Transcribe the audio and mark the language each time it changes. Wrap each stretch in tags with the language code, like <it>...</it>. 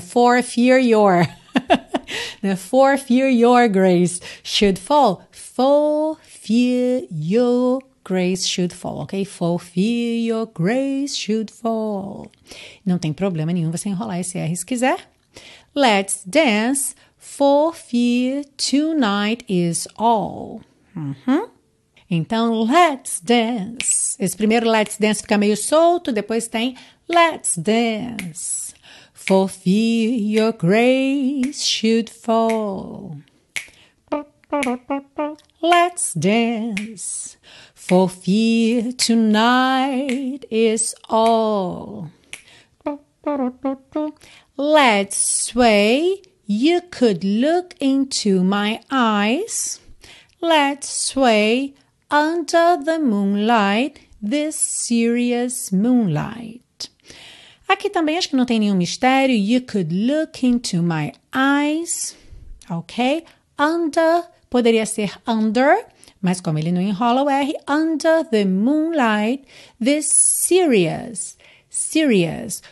<en>For fear your, né? For fear your grace should fall. For fear your grace should fall, ok? For fear your grace should fall.</en> <pt>Não tem problema nenhum você enrolar esse R se quiser.</pt> <en>Let's dance, for fear tonight is all. Uhum. Então, let's dance.</en> <pt>Esse primeiro let's dance fica meio solto, depois tem let's dance.</pt> <en>For fear your grace should fall. Let's dance, for fear tonight is all. Let's sway, you could look into my eyes. Let's sway under the moonlight, this serious moonlight.</en> <pt>Aqui também acho que não tem nenhum mistério.</pt> <en>You could look into my eyes. Ok?</en> <pt>Under, poderia ser under, mas como ele não enrola o R,</pt> <en>under the moonlight, this serious.</en> <pt>Serious.</pt>